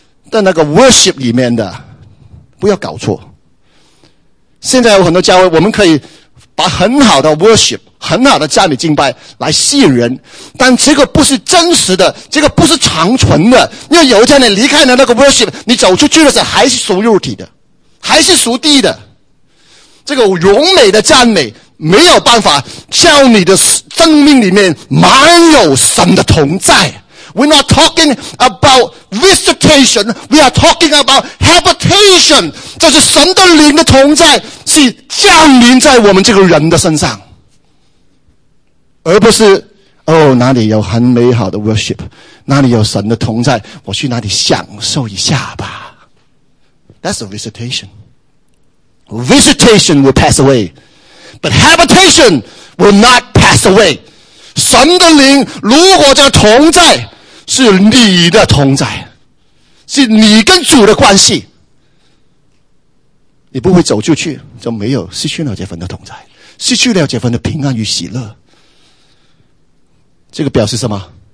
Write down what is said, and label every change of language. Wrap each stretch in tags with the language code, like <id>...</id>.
<zh>在那个 worship 里面的，不要搞错。现在有很多教会，我们可以把很好的 worship、很好的赞美敬拜来吸引人，但这个不是真实的，这个不是长存的。因为有一天你离开了那个 worship， 你走出去的时候还是属肉体的，还是属地的。这个荣美的赞美没有办法叫你的生命里面满有神的同在。</zh> <en>We're not talking about visitation. We are talking about habitation.</en> <zh>这是神的灵的同在是降临在我们这个人的身上，而不是哦，哪里有很美好的 worship， 哪里有神的同在，我去哪里享受一下吧。</zh> <en>That's a visitation. Visitation will pass away, but habitation will not pass away.</en> <zh>神的灵如果这个同在是你的同在，是你跟主的关系，你不会走出去就没有失去了这份的同在，失去了这份的平安与喜乐。这个表示什么？</zh>